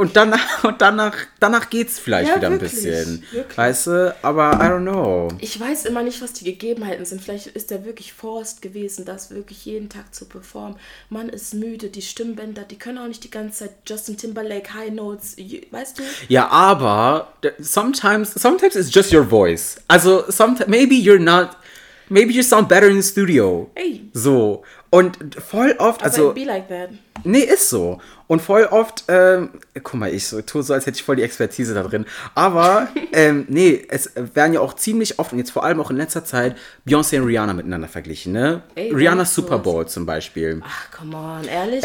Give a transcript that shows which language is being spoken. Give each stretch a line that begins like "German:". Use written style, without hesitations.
German: Und danach geht's vielleicht ja, wieder wirklich, ein bisschen. Wirklich. Weißt du, aber I don't know. Ich weiß immer nicht, was die Gegebenheiten sind. Vielleicht ist der wirklich forced gewesen, das wirklich jeden Tag zu performen. Man ist müde, die Stimmbänder, die können auch nicht die ganze Zeit Justin Timberlake, High Notes, weißt du?
English: Ja, aber sometimes it's just your voice. Also, maybe you sound better in the studio. Hey.
German: So. Und voll oft, also.
English: I wouldn't be like that.
German: Nee, ist so. Und voll oft, guck mal, ich tue so, als hätte ich voll die Expertise da drin. Aber, es werden ja auch ziemlich oft, und jetzt vor allem auch in letzter Zeit, Beyoncé und Rihanna miteinander verglichen, ne? Ey, Rihanna Super Bowl zum Beispiel. Ach, come on, ehrlich?